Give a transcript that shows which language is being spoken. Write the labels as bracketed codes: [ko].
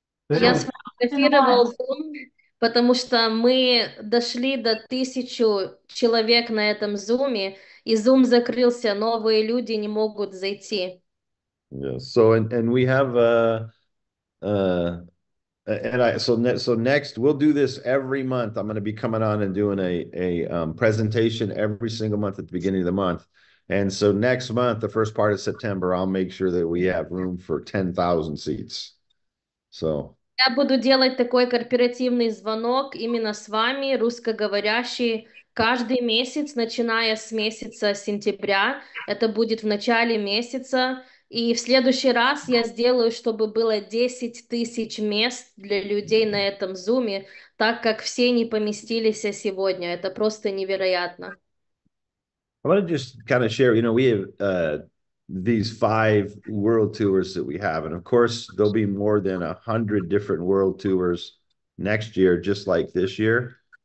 [ru] Я сфотографировал Zoom, потому что мы дошли до 1000 человек на этом Zoom, и Zoom закрылся, новые люди не могут зайти. [en] Yeah, so and we have and I so next we'll do this every month. I'm going to be coming on and doing a presentation every single month at the beginning of the month. And so next month, the first part of September, I'll make sure that we have room for 10,000 seats. So [ru] я буду делать такой корпоративный звонок именно с вами, русскоговорящий, каждый месяц, начиная с месяца сентября. Это будет в начале месяца. И в следующий раз я сделаю, чтобы было 10 тысяч мест для людей на этом зуме, так как все не поместились сегодня. Это просто невероятно. [en] I want to just kind of share, you know, we have these 5 world tours that we have. And of course, there'll be more than 100 different world tours next year, just like this year.